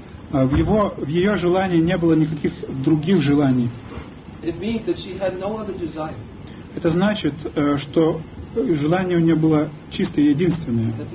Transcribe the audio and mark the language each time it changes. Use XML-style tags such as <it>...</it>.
<ru>В ее желании не было никаких других желаний.</ru> <en>It means that she had no other desire.</en> <ru>Это значит, что желание у нее было чистое и единственное.</ru>